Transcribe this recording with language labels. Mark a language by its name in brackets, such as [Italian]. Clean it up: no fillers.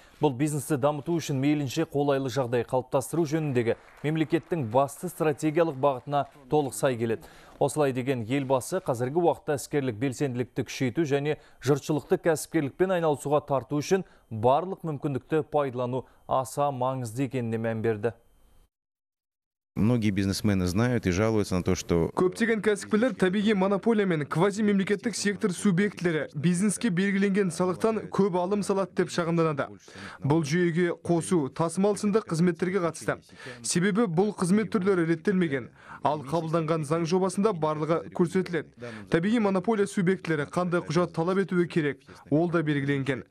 [Kazakh] Бұл бизнесті дамыту үшін мейлінше қолайлы жағдай қалыптастыру жөніндегі мемлекеттің басты стратегиялық бағытына толық сай келеді. Осылай деген елбасы қазіргі уақытта іскерлік белсенділікті күшейту және жұртшылықты кәсіпкерлікпен айналысуға тарту үшін барлық мүмкіндікті пайдалану аса маңызды екеніне мән берді. [Russian] Многие бизнесмены знают и жалуются на то, что... [Kazakh] Көптеген кәсіпкерлер табиғи монополия мен квазимемлекеттік сектор субъектілері бизнеске белгіленген салықтан көп алым салады деп шағымданады. Бұл жүйеге қосу, тасымал сынды қызметтерге қатысты. Себебі бұл қызмет түрлері реттелмеген. Ал қабылданған заң жобасында барлығы көрсетіледі. Табиғи монополия субъектілері қандай құжат талап етуі керек, ол да белгіленген.